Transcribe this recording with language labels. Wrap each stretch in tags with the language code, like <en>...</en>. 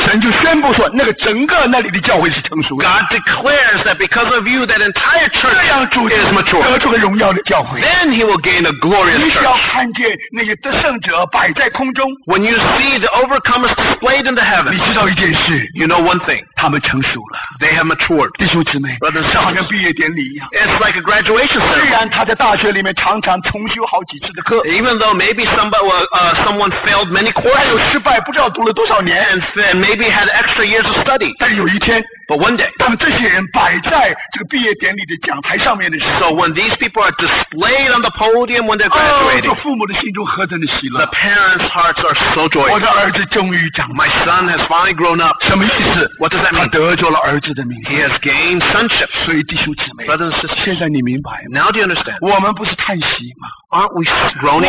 <zh>神就宣布说，那个整个那里的教会是成熟的。</zh> <en>God declares that because of you, that entire church is mature，</en> <zh>得出个荣耀的教会。</zh> <en>Then he will gain a glorious church。</en> <zh>你只要看见那些得胜者摆在空中</zh> <en>，when you see the overcomers displayed in the heavens，</en> <zh>你知道一件事</zh> <en>，you know one thing，</en> <zh>他们成熟了</zh> <en>，they have matured，</en> <zh>弟兄姊妹</zh> <en>，brothers and sisters，</en> <zh>就好像毕业典礼。</zh> <en>It's like a graduation ceremony.</en> <zh>虽然他在大学里面常常重修好几次的课。</zh> <en>Even though maybe someone failed many courses.</en> <zh>还有失败，不知道读了多少年。</zh> <en>And maybe had extra years of study.</en> <zh>但有一天。</zh> <en>But one day,</en> <zh>当这些人摆在这个毕业典礼的讲台上面的时候</zh> <en>，So when these people are displayed on the podium when they're graduating,</en> <zh>这父母的心中何等的喜乐</zh> <en>！The parents' hearts are so joyful.</en> <zh>我的儿子终于长</zh> <en>，My son has finally grown up.</en> <zh>什么意思</zh> <en>？What does that mean?</en> <zh>他得着了儿子的名分</zh> <en>，He has gained sonship.</en> <zh>所以弟兄姊妹</zh> <en>，Brothers and sisters,</en> <zh>现在你明白</zh> <en>？Now do you understand?</en> <zh>我们不是叹息吗？</zh> <en>Aren't we groaning?</en>